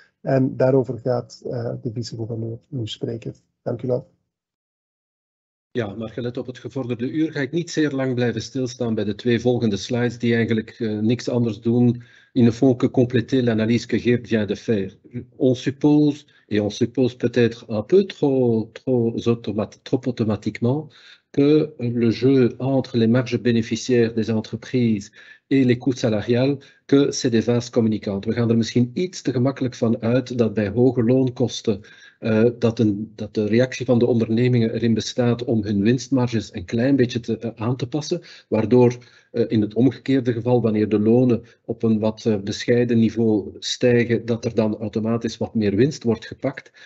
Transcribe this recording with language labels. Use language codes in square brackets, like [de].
[nl] En daarover gaat de vice-gouverneur nu spreken. Dank u wel. Ja, maar gelet op het gevorderde uur ga ik niet zeer lang blijven stilstaan bij de twee volgende slides die eigenlijk niks anders doen in de fond [fr] que compléter l'analyse que Geert vient de faire. On suppose, et on suppose peut-être un peu trop automatiquement, que le jeu entre les marges bénéficiaires des entreprises et les coûts salariaux, que c'est des vases communicants. [nl] We gaan er misschien iets te gemakkelijk van uit dat bij hoge loonkosten dat de reactie van de ondernemingen erin bestaat om hun winstmarges een klein beetje aan te passen, waardoor in het omgekeerde geval, wanneer de lonen op een wat bescheiden niveau stijgen, dat er dan automatisch wat meer winst wordt gepakt.